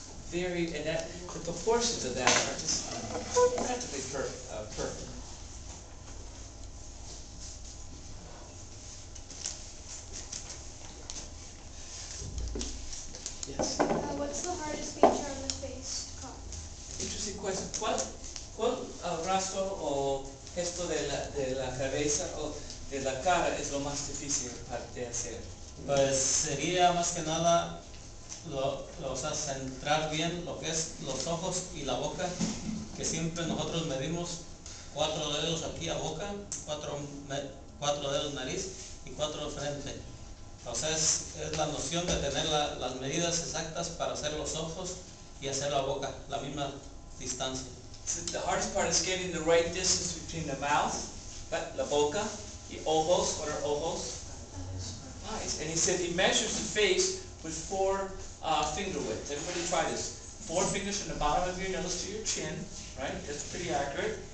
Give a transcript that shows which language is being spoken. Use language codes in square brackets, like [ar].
[en] Very, and that, the proportions of that are just practically perfect. Yes? What's the hardest feature on the face to carve? Interesting question. [es] ¿Cuál rasgo o gesto de la cabeza o de la cara es lo más difícil de hacer? Pues sería más que nada lo, o sea, centrar bien lo que es los ojos y la boca, que siempre nosotros medimos 4 dedos aquí a boca, 4 dedos nariz y 4 frente. O sea, es la noción de tener las medidas exactas para hacer los ojos y hacer la boca, la misma distancia. [en] So the hardest part is getting the right distance between the mouth, [es] la boca, y ojos, [en] what are ojos? Eyes. And he said he measures the face with 4 finger width. Everybody try this. 4 fingers from the bottom of your nose to your chin, right? That's pretty accurate.